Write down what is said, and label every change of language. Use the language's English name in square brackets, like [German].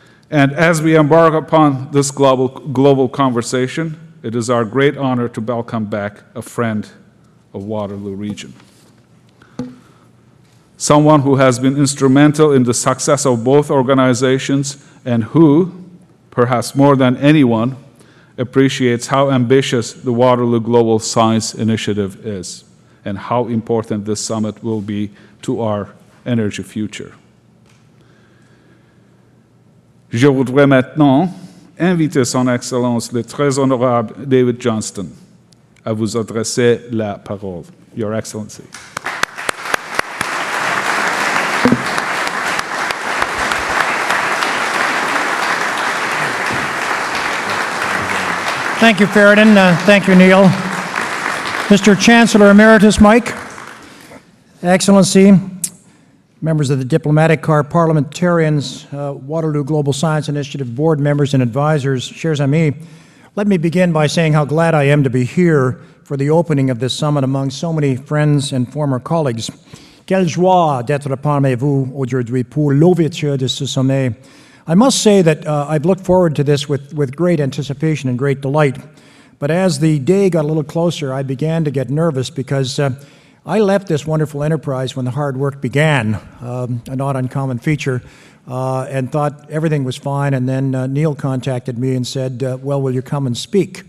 [English] And as we embark upon this global conversation, it is our great honor to welcome back a friend of Waterloo Region, someone who has been instrumental in the success of both organizations and who, perhaps more than anyone, appreciates how ambitious the Waterloo Global Science Initiative is and how important this summit will be to our energy future. [French] Je voudrais maintenant inviter Son Excellence le très honorable David Johnston à vous adresser la parole. [English] Your Excellency. Thank you, Faraday. Thank you, Neil. Mr. Chancellor Emeritus Mike, Excellency, members of the Diplomatic Corps, parliamentarians, Waterloo Global Science Initiative board members and advisors, [French] chers amis, [English] let me begin by saying how glad I am to be here for the opening of this summit among so many friends and former colleagues. [French] Quelle joie d'être parmi vous aujourd'hui pour l'ouverture de ce sommet. [English] I must say that I've looked forward to this with great anticipation and great delight, but as the day got a little closer, I began to get nervous because I left this wonderful enterprise when the hard work began, a not uncommon feature, and thought everything was fine, and then Neil contacted me and said, well, will you come and speak?